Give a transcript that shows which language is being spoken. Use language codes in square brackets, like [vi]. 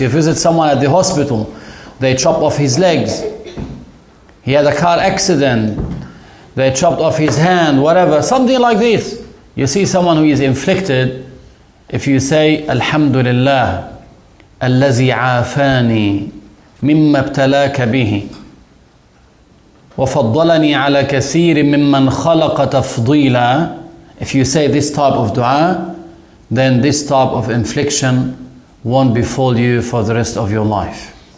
[en] You visit someone at the hospital, they chop off his legs. He had a car accident, they chopped off his hand, whatever. Something like this. You see someone who is inflicted, if you say, [ar] Alhamdulillah, الَّذِي عَافَانِي مِمَّا ابْتَلَاكَ بِهِ وَفَضَّلَنِي عَلَى كَثِيرٍ مِمَّنْ خَلَقَ تَفْضِيلًا. [en] If you say this type of dua, then this type of infliction won't befall you for the rest of your life.